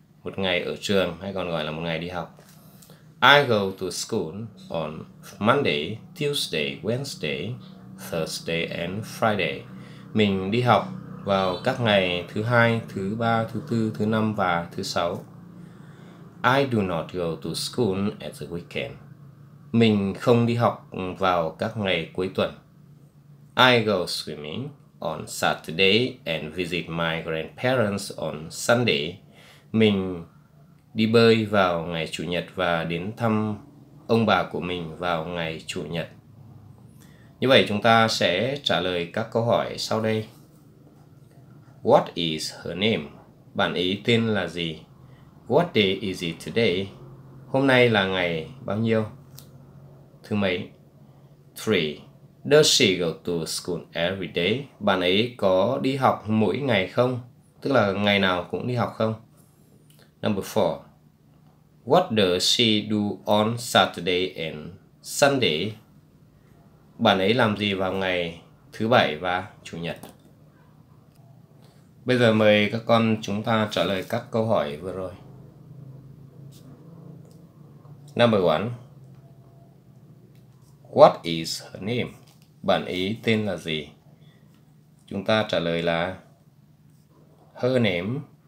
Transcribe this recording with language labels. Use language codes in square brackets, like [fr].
[vi] Một ngày ở trường hay còn gọi là một ngày đi học. [en] I go to school on Monday, Tuesday, Wednesday, Thursday and Friday. [vi] Mình đi học vào các ngày thứ hai, thứ ba, thứ tư, thứ năm và thứ sáu. [en] I do not go to school at the weekend. [vi] Mình không đi học vào các ngày cuối tuần. [en] I go swimming on Saturday and visit my grandparents on Sunday. [vi] Mình đi bơi vào ngày Chủ nhật và đến thăm ông bà của mình vào ngày Chủ nhật. Như vậy chúng ta sẽ trả lời các câu hỏi sau đây. [en] What is her name? [vi] Bạn ấy tên là gì? [en] What day is it today? [vi] Hôm nay là ngày bao nhiêu? Thứ mấy? 3. [en] Does she go to school every day? [vi] Bạn ấy có đi học mỗi ngày không? Tức là ngày nào cũng đi học không? [en] Number 4. What does she do on Saturday and Sunday? [vi] Bạn ấy làm gì vào ngày thứ bảy và chủ nhật? Bây giờ mời các con chúng ta trả lời các câu hỏi vừa rồi. [en] Number 1. What is her name? [vi] Bạn ấy tên là gì? Chúng ta trả lời là [en] her name.